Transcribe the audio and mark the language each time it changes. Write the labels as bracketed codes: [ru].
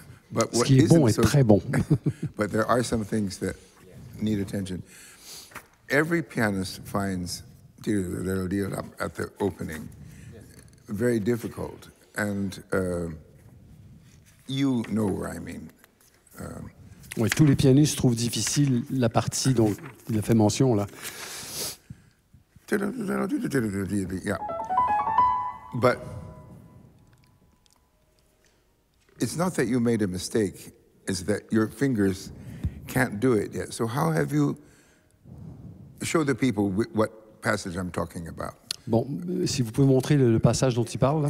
[en] But what [fr] ce qui est bon est [en] so [fr] très bon. [en] But there are some things that need attention. Every pianist finds at the opening very difficult. And you know where I mean. [fr] Oui, tous les pianistes trouvent difficile la partie dont il a fait mention, là. [en] Yeah. But it's not that you made a mistake, it's that your fingers can't do it yet. So how have you show the people what passage I'm talking about? [fr] Bon, si vous pouvez montrer le passage dont il parle, là.